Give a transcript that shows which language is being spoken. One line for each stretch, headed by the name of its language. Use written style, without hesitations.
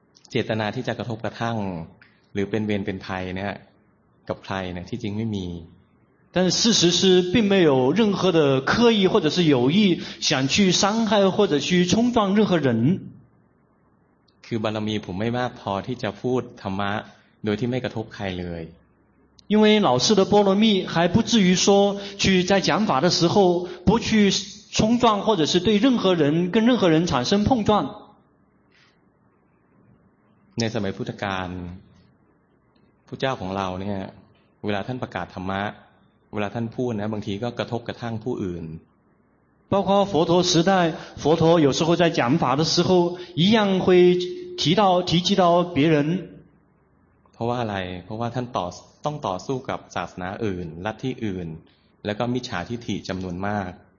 Thai: เจตนาที่จะกระทบกระทั่งหรือเป็นเวรเป็นภัยเนี่ยกับใครเนี่ยที่จริงไม่มี
Chinese: 但事实是并没有任何的刻意或者是有意想去伤害或者去冲撞任何人。
Thai: คือบารมีผมไม่มากพอที่จะพูดธรรมะโดยที่ไม่กระทบใครเลย
Chinese: 因为老师的波罗蜜还不至于说去在讲法的时候不去冲撞或者是对任何人跟任何人产生碰撞。
Thai: ในสมัยพุทธกาลพระเจ้าของเราเนี่ยเวลาท่านประกาศธรรมะเวลาท่านพูดนะบางทีก็กระทบกระทั่งผู้อื่น
Chinese: 包括佛陀时代佛陀有时候在讲法的时候一样会提及到别人
Thai: เพราะว่าอะไรเพราะว่าท่านต้องต่อสู้กับศาสนาอื่นลัทธิอื่นแล้วก็มิจฉาทิฐิจำนวนมาก